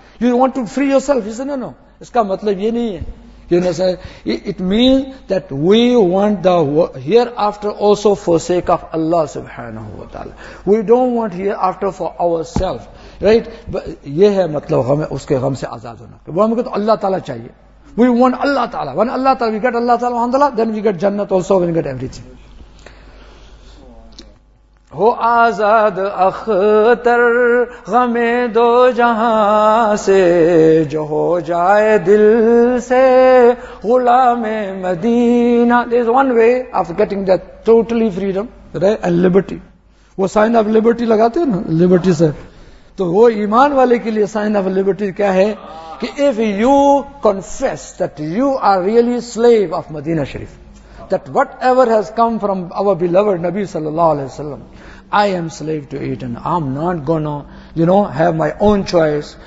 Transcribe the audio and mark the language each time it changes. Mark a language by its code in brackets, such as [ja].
[en] You want to free yourself? He said, no. [ur] Iska matlab ye nahi hai. [en] You know, it means that we want the hereafter also for sake of Allah subhanahu wa ta'ala. We don't want hereafter for ourselves. Right? But [ur] yeh hai matlab uske gham se azad [en] hona. We want Allah Ta'ala. When Allah Ta'ala, we get Allah Ta'ala, then we get Jannat also, we get everything. [ur] ہو آزاد اختر غم دو جہاں سے جو ہو جائے دل سے غلام مدینہ. [en] There is one way of getting that totally freedom, right? And liberty. [ur] وہ [en] sign of liberty [ur] لگاتے ہیں نا, liberty سے. تو وہ ایمان والے کے لیے [en] sign of liberty [ur] کیا ہے کہ [en] if you confess that you are really slave of Medina شریف, that whatever has come from our beloved Nabi صلی اللہ علیہ وسلم, I am slave to it and I'm not gonna, you know, have my own choice.